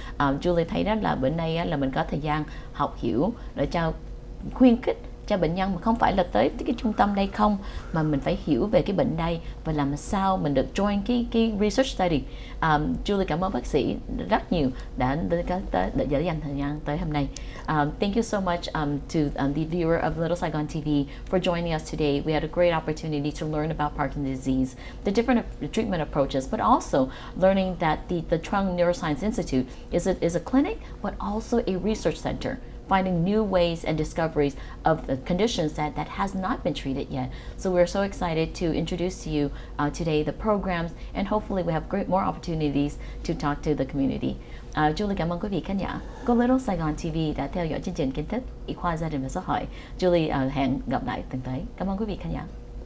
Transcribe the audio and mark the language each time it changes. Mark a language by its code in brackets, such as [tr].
[vi] Julie thấy đó là bữa nay là mình có thời gian học hiểu để cho khuyên khích cho bệnh nhân, mà không phải là tới cái trung tâm đây không, mà mình phải hiểu về cái bệnh đây và làm sao mình được join cái research study. Julie, cảm ơn bác sĩ rất nhiều đã dành thời gian tới hôm nay. [en] Thank you so much to the viewer of Little Saigon TV for joining us today. We had a great opportunity to learn about Parkinson's disease, the different treatment approaches, but also learning that the Trung Neuroscience Institute is a clinic, but also a research center, finding new ways and discoveries of the conditions that has not been treated yet. So we're so excited to introduce to you today the programs, and hopefully we have great more opportunities to talk to the community. [vi] Julie, cảm ơn quý vị khán giả của Little Saigon TV đã theo dõi chương trình Kiến Thức, Y Khoa Gia Đình và Xã Hội. Julie, hẹn gặp lại tuần tới. Cảm ơn quý vị khán giả.